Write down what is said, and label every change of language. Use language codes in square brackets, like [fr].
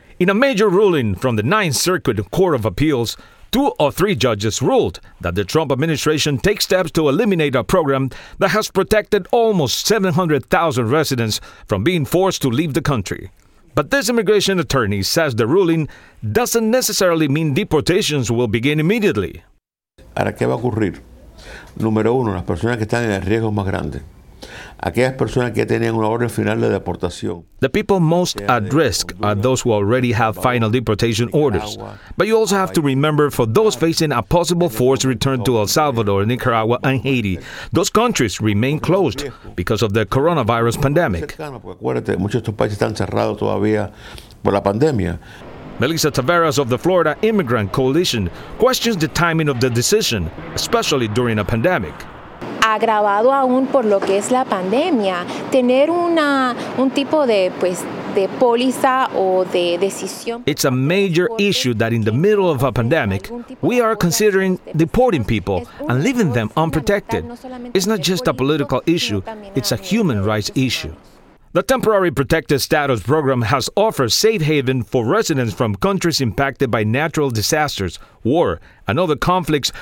[en] In a major ruling from the Ninth Circuit Court of Appeals, two of three judges ruled that the Trump administration takes steps to eliminate a program that has protected almost 700,000 residents from being forced to leave the country. But this immigration attorney says the ruling doesn't necessarily mean deportations will begin immediately. [es] ¿Ahora qué va a ocurrir? Número uno, las personas que están en el riesgo más grande. Aquellas personas que tenían una orden final de deportación. [en] The people most at risk are those who already have final deportation orders. But you also have to remember for those facing a possible forced return to El Salvador, Nicaragua, and Haiti, those countries remain closed because of the coronavirus pandemic. [es] Acuérdate, muchos de estos países están cerrados todavía por la pandemia. [en] Melissa Taveras of the Florida Immigrant Coalition questions the timing of the decision, especially during a pandemic. [es] Agravado aún por lo que es la pandemia, tener un tipo de pues de póliza o de decisión. [en] It's a major issue that in the middle of a pandemic, we are considering deporting people and leaving them unprotected. It's not just a political issue, it's a human rights issue. The Temporary Protected Status Program has offered safe haven for residents from countries impacted by natural disasters, war, and other conflicts.